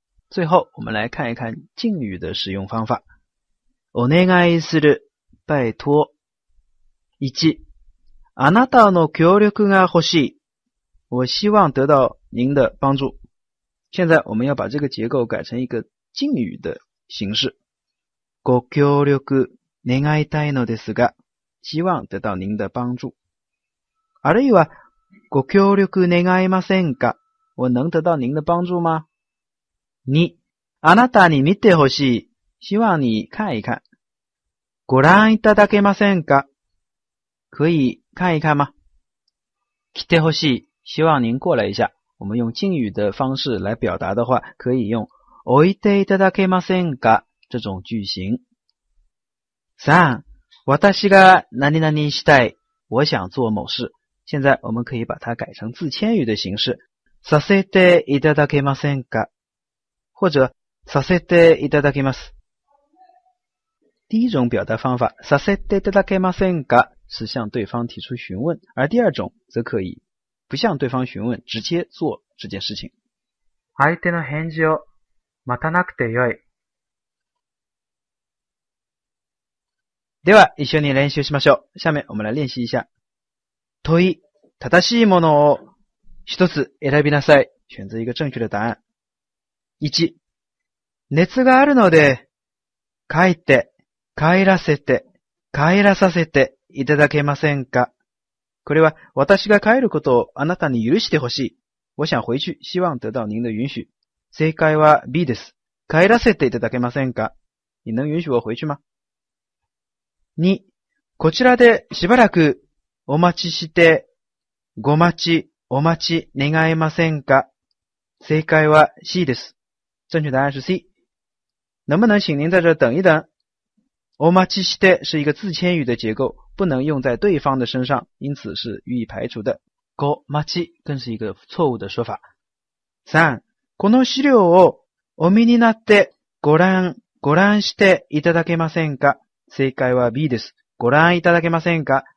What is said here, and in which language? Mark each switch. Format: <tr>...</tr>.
<zh>最后，我们来看一看敬语的使用方法。</zh> <ja>お願いする、</ja> <zh>拜托。</zh> <ja>1、あなたの協力が欲しい。</ja> <zh>我希望得到您的帮助。现在，我们要把这个结构改成一个敬语的形式。</zh> <ja>ご協力願いたいのですが，</ja> <zh>希望得到您的帮助。</zh> <ja>あるいはご協力願いませんか，</ja> <zh>我能得到您的帮助吗？</zh> <ja>に、あなたに見てほしい，</ja> <zh>希望你看一看。</zh> <ja>ご覧いただけませんか，</ja> <zh>可以看一看吗？</zh> <ja>来てほしい，</ja> <zh>希望您过来一下。我们用敬语的方式来表达的话，可以用</zh> <ja>置いていただけませんか？</ja> <zh>这种句型。</zh> <ja>3、私が何々したい。</ja> <zh>我想做某事。现在我们可以把它改成自谦语的形式。</zh> <ja>させていただけませんか？</ja> <zh>或者、</zh> <ja>させていただけます。</ja> <zh>第一种表达方法、させていただけませんか？是向对方提出询问。而第二种则可以、不向对方询问、直接做这件事情。</zh> <ja>相手の返事を待たなくてよい。では、一緒に練習しましょう。</ja> <zh>下面、我们来練習一下。</zh> <ja>問い、正しいものを一つ選びなさい。</ja> <zh>選择一个正确的答案。</zh> <ja>1、熱があるので、帰って、帰らせて、帰らさせていただけませんか？これは、私が帰ることをあなたに許してほしい。</ja> <zh>我想回去、希望得到您的允许。</zh> <ja>正解は B です。帰らせていただけませんか？</ja> <zh>你能允许我回去吗？</zh> <ja>2、こちらでしばらくお待ちして、ご待ち、お待ち願えませんか？正解は C です。</ja> <zh>正確答案是 C。能不能请您在这等一等？お待ちして是一个自谦语的结构，不能用在对方的身上，因此是予以排除的。ご待ち更是一个错误的说法。</zh> <ja>3、この資料をお見になってご覧していただけませんか？正解は B です。ご覧いただけませんか？</ja>